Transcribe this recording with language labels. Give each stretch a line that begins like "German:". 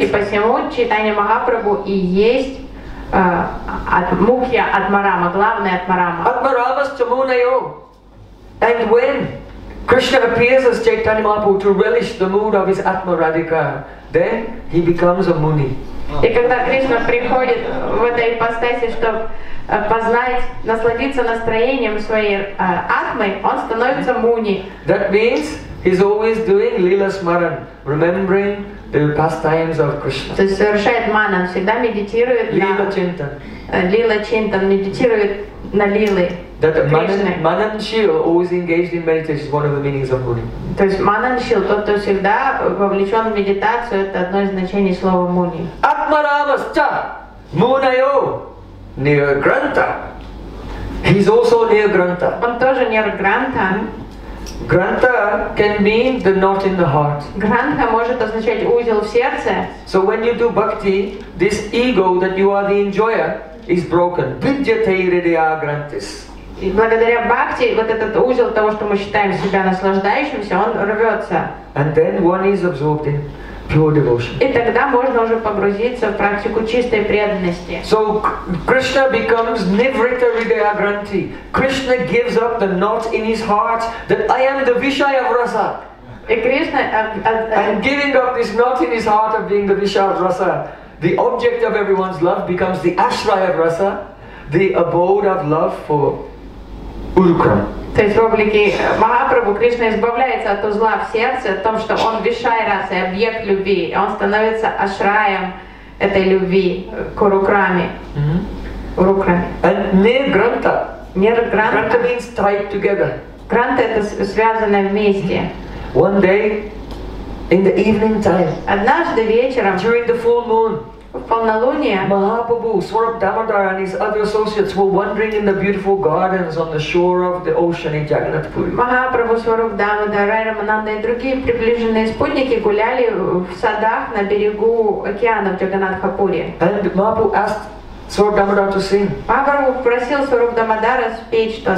Russian: и посему Chaitanya Mahaprabhu и есть Mukhya Atmarama, главная Atmarama.
English: Atmarama is Tamunayo. And when Krishna appears as Chaitanya Mahaprabhu to relish the mood of his Atma Radhika, then he becomes a Muni.
Russian: И когда Кришна приходит в этой ипостаси, чтобы познать, насладиться настроением своей Атмы, он становится Муни.
English: That means he's always doing Lila Smaran, remembering the pastimes of Krishna.
Russian: То есть совершает манан, всегда медитирует на Лила Чинтан. Лила Чинтан медитирует на Лилы.
English: That Mananshil always engaged in meditation is one of the meanings of Muni.
Russian: То есть Mananshil, тот, кто всегда вовлечен в медитацию, это одно из значений слова Муни.
Sanskrit: Atmaramascha Munayo Nirgrantha.
English: He's also Nirgrantha.
Russian: Он тоже Нирграntha.
English: Grantha can mean the knot in the heart.
Russian: Grantha может означать узел в сердце.
English: So when you do bhakti, this ego that you are the enjoyer is broken.
Sanskrit: Vidyate hridaya grantis.
Russian: И благодаря бхакти вот этот узел того, что мы считаем себя наслаждающимся, он рвется.
English: And then one is absorbed in pure devotion.
Russian: И тогда можно уже погрузиться в практику чистой преданности.
English: So Krishna becomes Nivritta Hridaya Granthi. Krishna gives up the knot in his heart that I am the Vishaya Rasa.
Russian: И Krishna
English: and giving up this knot in his heart of being the Vishaya Rasa, the object of everyone's love becomes the Ashraya Rasa, the abode of love for Urukram.
Russian: То есть в облике Махапрабху Кришна избавляется от узла в сердце, о том, что он вишайраса, объект любви, и он становится ашраем этой любви к Урукраме. Урукраме.
English: And Nirgrantha. Nirgrantha. Grantha means tied together.
Russian: Grantha — это связанное вместе.
English: One day, in the evening time.
Russian: Однажды вечером.
English: During the full moon.
Russian: В полнолуние
English: Mahaprabhu, Swarup Damodar and his other associates were wandering in the beautiful gardens on the shore of the ocean in Jagannath Puri.
Russian: Махапрабху, Сварап Дамодар, Рай Рамананда и другие приближенные спутники гуляли в садах на берегу океана в Джаганатхапури.
English: And Mahaprabhu asked Swarup Damodar to sing.
Russian: Махапрабху просил Сварап Дамодара спеть что-то.